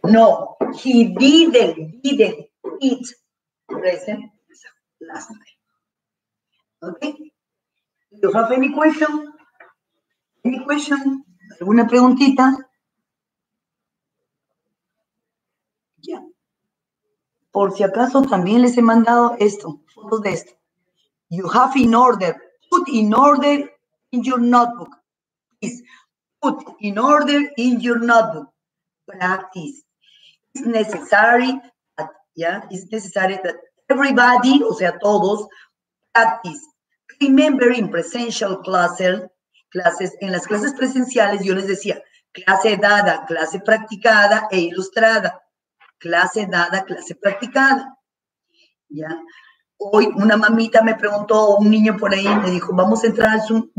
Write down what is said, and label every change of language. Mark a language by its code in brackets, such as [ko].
[en] No, he didn't eat present pizza last night. Okay. You have any question? Any question? [es] ¿Alguna preguntita? Por si acaso, también les he mandado esto, fotos de esto. [en] You have in order, put in order in your notebook. Please, put in order in your notebook. Practice. It's necessary that, yeah, it's necessary that everybody, [es] o sea, todos, [en] practice. Remember in presential classes, [es] en las clases presenciales, yo les decía, clase dada, clase practicada e ilustrada. Clase dada, clase practicada. ¿Ya? Hoy una mamita me preguntó, un niño por ahí, me dijo, ¿vamos a entrar al Zoom?